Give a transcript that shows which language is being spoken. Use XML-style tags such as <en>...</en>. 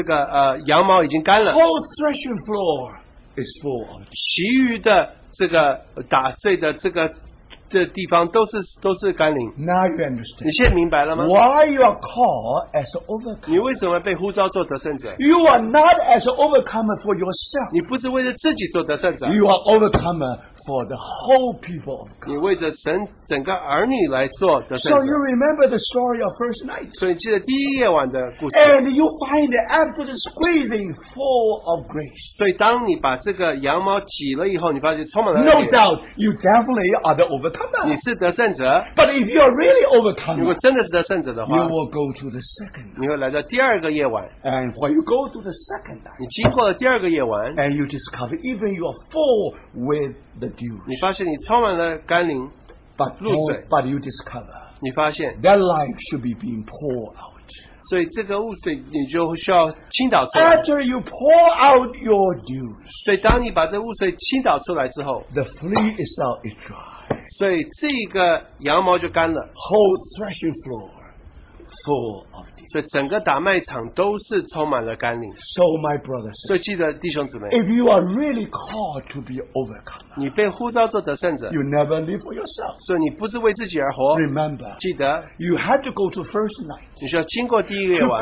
<zh>所以整个这个羊毛已经干了。</zh> <en>Whole threshing floor is full of it.</en> <zh>其余的这个打碎的这个 这地方都是甘霖。</zh> <en>Now you understand.</en> <zh>你现在明白了吗?</zh> <en>Why you are called as an overcomer?</en> <zh>你为什么被呼召做得胜者?</zh> <en>You are not as an overcomer for yourself.</en> <zh>你不是为了自己做得胜者。</zh> <en>You are overcomer for the whole people of God.</en> <zh>你为着神整个儿女来做,</zh> <en>so you remember the story of first night.</en> <zh>所以记得第一夜晚的故事,</zh> <en>and you find it after the squeezing full of grace.</en> <zh>所以当你把这个羊毛挤了以后,</zh> <en>no doubt, you definitely are the overcomer.</en> <zh>你是得胜者,</zh> <en>but if you are really overcomer,</en> <zh>如果真的是得胜者的话,</zh> <en>you will go to the second night.</en> <zh>你会来到第二个夜晚,</zh> <en>and when you go to the second night,</en> <zh>你经过了第二个夜晚,</zh> <en>and you discover even you are full with the dew.</en> <zh>你发现你充满了甘霖,</zh> <en>but you discover</en> <zh>你发现,</zh> <en>that life should be being poured out.</en> <zh>所以这个污水你就需要倾倒出来,</zh> <en>after you pour out your dew,</en> <zh>所以当你把这污水倾倒出来之后,</zh> <en>the flea itself is dry.</en> <zh>所以这个羊毛就干了,</zh> <en>whole threshing floor full of dew.</en> <zh>所以整个打麦场都是充满了甘霖,</zh> <en>so my brothers,</en> <zh>所以记得弟兄姊妹,</zh> <en>if you are really called to be overcome,</en> <zh>你被呼召做得胜者,</zh> <en>you never live for yourself,</en> <zh>所以你不是为自己而活,</zh> <en>remember,</en> <zh>记得,</zh> <en>you had to go to first night,</en> <zh>你需要经过第一个夜晚,</zh>